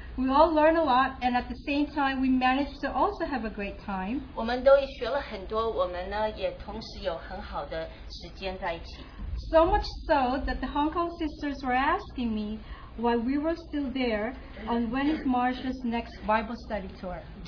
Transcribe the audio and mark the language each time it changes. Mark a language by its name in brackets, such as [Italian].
[English] We all learn a lot, and at the same time, we managed to also have a great time. [Chinese] 我们都学了很多，我们呢也同时有很好的时间在一起。 [English] So much so that the Hong Kong sisters were asking me why we were still there on when is Marsha's next Bible study tour.